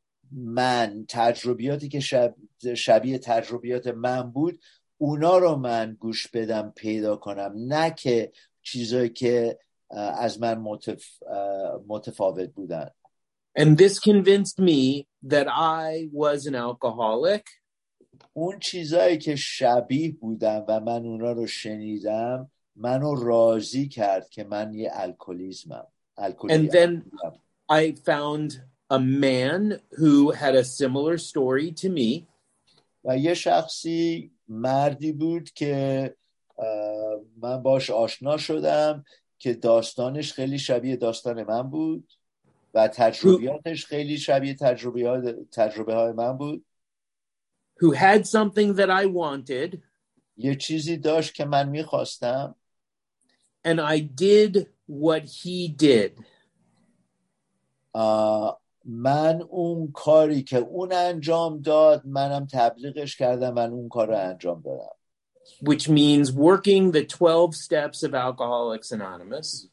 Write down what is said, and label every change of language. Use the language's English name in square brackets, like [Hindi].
[Persian] من، تجربیاتی که شبیه تجربیات من بود، اونا رو من گوش بدم پیدا کنم، نه که چیزهایی که از من متفاوت بودن. [English] And this convinced me that I was an alcoholic. [Persian] اون چیزهایی که شبیه بودن و من اونا رو شنیدم، منو راضی کرد که من یه الکلیزمم. [English] And then I found a man who had a similar story to me. [Persian] و یه شخصی مردی بود که من باش آشنا شدم که داستانش خیلی شبیه داستان من بود و تجربیاتش خیلی شبیه تجربه های من بود. [English] Who had something that I wanted. [Persian] یه چیزی داشت که من میخواستم. [English] And I did what he did. [Persian] من اون کاری که اون انجام داد، منم تبلیغش کردم، من اون کار رو انجام دادم. [English] Which means working the 12 steps of Alcoholics Anonymous.